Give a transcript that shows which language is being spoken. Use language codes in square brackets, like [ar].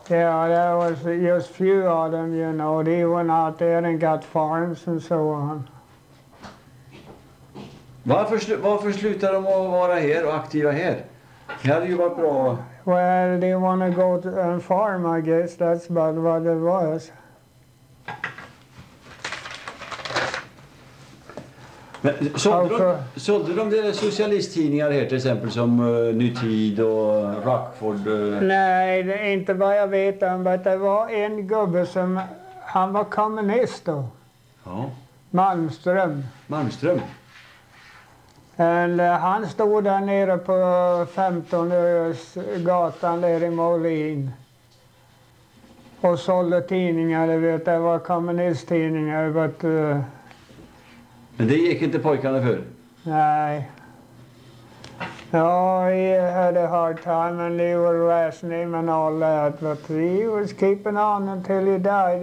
[en] Yeah, there was just few of them, you know. They went out there and got farms and so on. [sv] Varför slutade de att vara här och aktiva här? Det hade ju varit bra. [en] Well, they want to go to a farm, I guess. That's about what it was. [sv] Sålde de där socialisttidningar här till exempel som Nytid och Rockford? Nej, det är inte vad jag vet om, men det var en gubbe som, han var kommunist då. Ja. Malmström. Malmström. And han stod där nere på 15 gatan där i Molin. Och sålde tidningar, du vet, det var kommunisttidningar. Men det gick inte pojkarna för? Nej. [en] Ja, he had a hard time and they were rationing him and all that. But he was keeping on until he died.